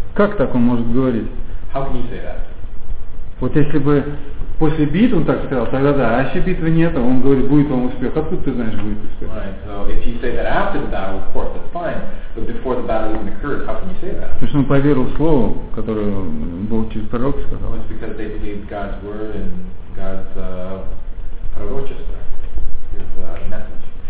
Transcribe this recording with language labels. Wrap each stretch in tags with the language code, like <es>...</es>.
<ru>Как так он может говорить?</ru> <en>How can you say that?</en> <ru>Вот если бы после битвы он так сказал, тогда да, а еще битвы нет, а он говорит, будет вам успех. Откуда ты знаешь, будет успех?</ru> <en>Right, so if you say that after the battle, of course, that's fine. But before the battle even occurred, how can you say that?</en> <ru>Потому что он поверил слову, которое Бог через пророк сказал.</ru> <en>Well, it's because they believed God's word and God's</en> <ru>пророчество,</ru> <en>His message,</en>